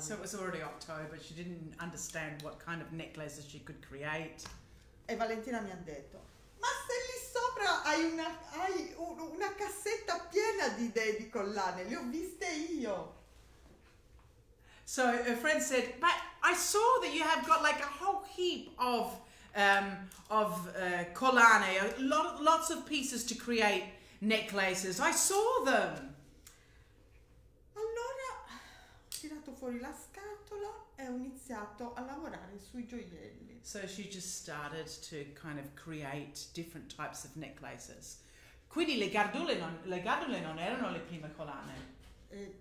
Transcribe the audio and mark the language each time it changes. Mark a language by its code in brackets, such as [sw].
[en] So it was already October, she didn't understand what kind of necklaces she could create. [it] E Valentina mi ha detto, ma se lì sopra hai una cassetta piena di idee di collane, le ho viste io. [en] So her friend said, but I saw that you have got like a whole heap of collane, lots of pieces to create necklaces. I saw them. [it] Allora ho tirato fuori la scatola e ho iniziato a lavorare sui gioielli. [en] So she just started to kind of create different types of necklaces. [it] Quindi le gardule non erano le prime collane.